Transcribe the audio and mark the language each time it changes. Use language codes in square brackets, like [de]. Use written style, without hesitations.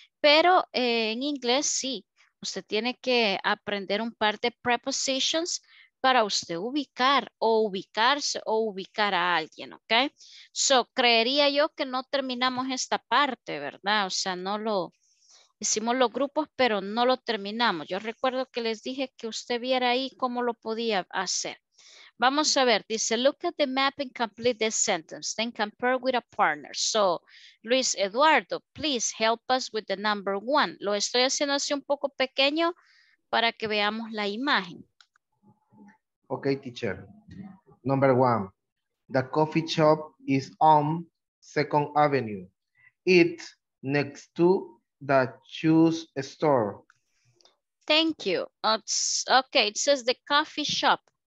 [es] Pero en inglés sí, usted tiene que aprender un par de prepositions para usted ubicar o ubicarse o ubicar a alguien, ¿ok? So, creería yo que no terminamos esta parte, ¿verdad? O sea, no lo hicimos los grupos, pero no lo terminamos. Yo recuerdo que les dije que usted viera ahí cómo lo podía hacer. Vamos a ver, dice, [en] look at the map and complete the sentence, then compare with a partner. So, Luis Eduardo, please help us with the number one. [es] Lo estoy haciendo así un poco pequeño para que veamos la imagen. [en] Okay, teacher. Number one, the coffee shop is on Second Avenue. It's next to the shoes store. Thank you. Okay, it says the coffee shop.